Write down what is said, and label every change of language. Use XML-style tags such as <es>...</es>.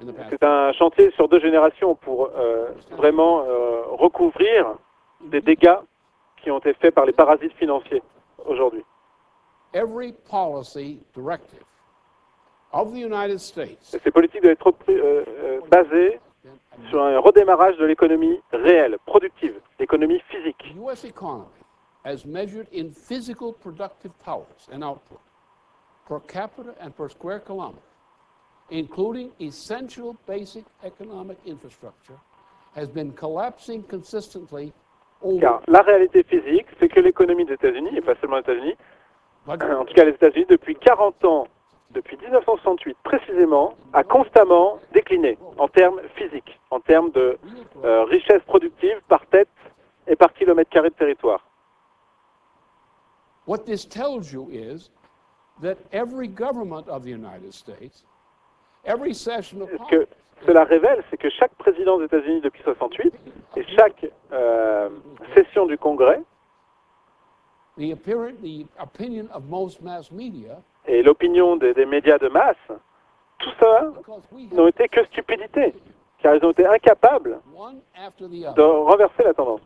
<fr>C'est un chantier sur deux générations pour vraiment recouvrir des dégâts qui ont été faits par les parasites financiers aujourd'hui.</fr> <en>every policy directive of the United States.</en> <fr>Ces politiques doivent être basées sur un redémarrage de l'économie réelle, productive, l'économie physique.</fr> <en>The U.S. economy, as measured in physical productive powers and output per capita and per square kilometer, including essential basic economic infrastructure, has been collapsing consistently.</en> <fr>Car la réalité physique, c'est que l'économie des États-Unis, et pas seulement les États-Unis, en tout cas les États-Unis, depuis 40 ans, depuis 1968 précisément, a constamment décliné en termes physiques, en termes de richesse productive par tête et par kilomètre carré de territoire.</fr> <en>What this tells you is that every government of the United States, every session of Congress.</en> <fr>Cela révèle, c'est que chaque président des États-Unis depuis 68 et chaque session du Congrès et l'opinion des médias de masse, tout ça n'ont été que stupidité, car ils ont été incapables de renverser la tendance.</fr>